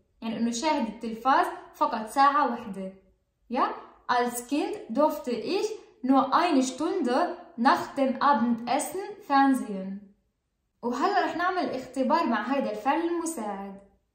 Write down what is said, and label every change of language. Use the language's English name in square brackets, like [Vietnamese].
[Arabic] يعني انه شاهد التلفاز فقط ساعة واحدة. [German] يا Als Kind durfte ich nur eine Stunde nach dem Abendessen fernsehen. [Arabic] وهلا رح نعمل اختبار مع هيدا الفعل المساعد.